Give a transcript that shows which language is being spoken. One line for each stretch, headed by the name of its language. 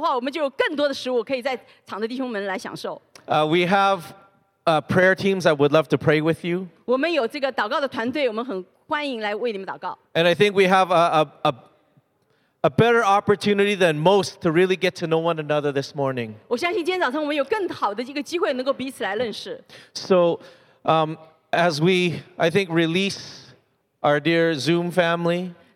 Chinese: 所以因为我们预备了这个几百个人的食物，那因为人现在少的话，我们就有更多的食物可以在场的弟兄们来享受。
English: We have prayer teams that would love to pray with you.
Chinese: 我们有这个祷告的团队，我们很欢迎来为你们祷告。
English: And I think we have a better opportunity than most to really get to know one another this morning.
Chinese: 我相信今天早上我们有更好的一个机会能够彼此来认识。
English: So, as we, I think, release our dear Zoom family.